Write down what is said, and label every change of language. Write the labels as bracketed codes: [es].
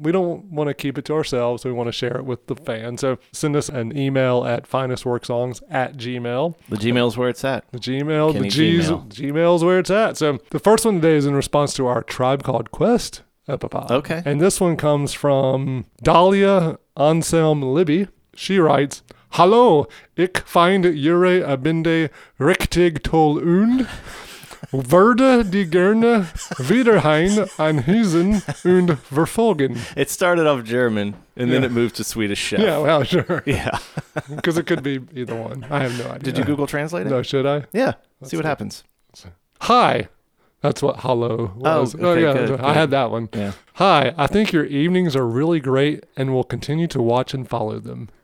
[en] We don't want to keep it to ourselves. We want to share it with the fans. So send us an email at finestworksongs@gmail.com. The Gmail's where it's at. The Gmail. Kenny the G's, Gmail. Gmail's where it's at. So the first one today is in response to our Tribe Called Quest epipod. Okay. And this one comes from Dahlia Anselm Libby. She writes... [de] Hallo, ich finde Ihre Abende richtig toll und würde die gerne wiederhin anhüsen und verfolgen. [en] It started off German, and then it moved to Swedish Chef. Yeah, well, sure. Yeah. Because it could be either one. I have no idea. Did you Google Translate it? No, should I? Yeah. Let's see what happens. Hi. That's what hello was. Oh, okay, good. I had that one. Yeah. Hi, I think your evenings are really great and will continue to watch and follow them.